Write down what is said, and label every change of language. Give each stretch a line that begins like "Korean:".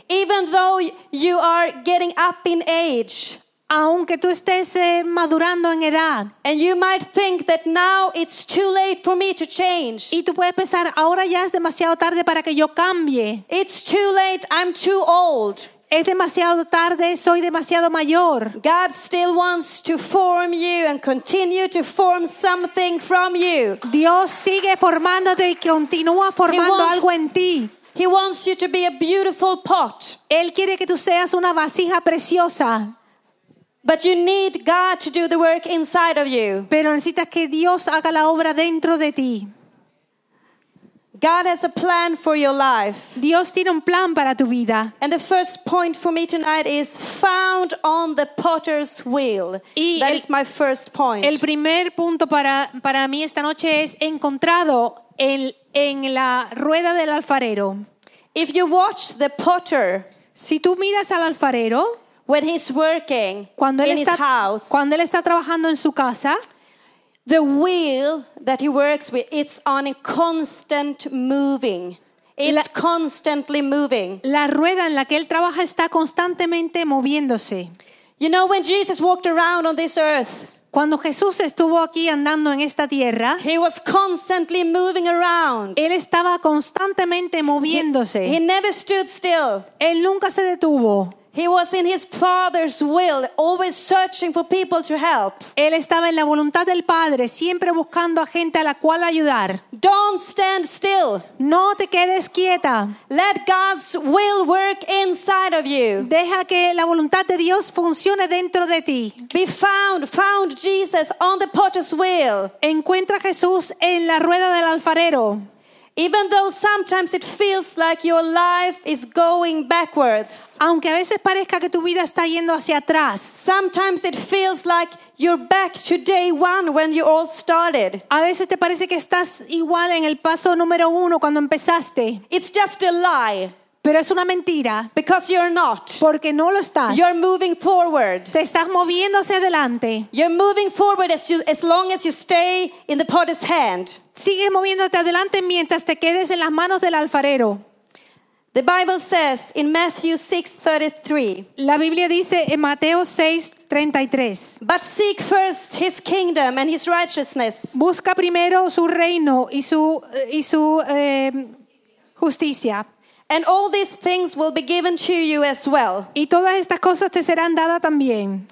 English: Even though you are getting up in age.
Spanish: Aunque tú estés madurando en edad.
English: And you might think that now it's too late for me to change.
Spanish: Y tú puedes pensar, ahora ya es demasiado tarde para que yo cambie.
English: It's too late, I'm too old.
Spanish: Es demasiado tarde, soy demasiado mayor.
English: God still wants to form you and continue to form something from you.
Spanish: Dios sigue formándote y continúa formando algo en ti.
English: He wants you to be a beautiful pot.
Spanish: Él quiere que tú seas una vasija preciosa.
English: But you need God to do the work inside of you.
Spanish: Pero necesitas que Dios haga la obra dentro de ti.
English: God has a plan for your life.
Spanish: Dios tiene un plan para tu vida.
English: And the first point for me tonight is found on the potter's wheel. That is my first point.
Spanish: El primer punto para mí esta noche es encontrado en la rueda del alfarero.
English: If you watch the potter,
Spanish: si tú miras al alfarero,
English: when he's working house,
Spanish: cuando él está trabajando en su casa,
English: the wheel that he works with, it's on a constant moving. It's constantly moving.
Spanish: La rueda en la que él trabaja está constantemente moviéndose.
English: You know, when Jesus walked around on this earth,
Spanish: cuando Jesús estuvo aquí andando en esta tierra,
English: he was constantly moving around.
Spanish: Él estaba constantemente moviéndose.
English: He never stood still.
Spanish: Él nunca se detuvo.
English: He was in his father's will, always searching for people to help.
Spanish: Él estaba en la voluntad del Padre, siempre buscando a gente a la cual ayudar.
English: Don't stand still.
Spanish: No te quedes quieta.
English: Let God's will work inside of you.
Spanish: Deja que la voluntad de Dios funcione dentro de ti.
English: Be found Jesus on the potter's wheel.
Spanish: Encuentra a Jesús en la rueda del alfarero.
English: Even though sometimes it feels like your life is going backwards.
Spanish: Aunque a veces parezca que tu vida está yendo hacia atrás.
English: Sometimes it feels like you're back to day one when you all started.
Spanish: A veces te parece que estás igual en el paso número uno cuando empezaste.
English: It's just a lie.
Spanish: Pero es una mentira.
English: Because you're not.
Spanish: Porque no lo estás.
English: You're moving forward.
Spanish: Te estás moviendo hacia adelante.
English: You're moving forward as long as you stay in the potter's hand.
Spanish: Sigue moviéndote adelante mientras te quedes en las manos del alfarero.
English: The Bible says in Matthew 6:33.
Spanish: La Biblia dice en Mateo 6:33.
English: But seek first his kingdom and his righteousness.
Spanish: Busca primero su reino y su justicia.
English: And all these things will be given to you as well.
Spanish: Y todas estas cosas te serán dadas también.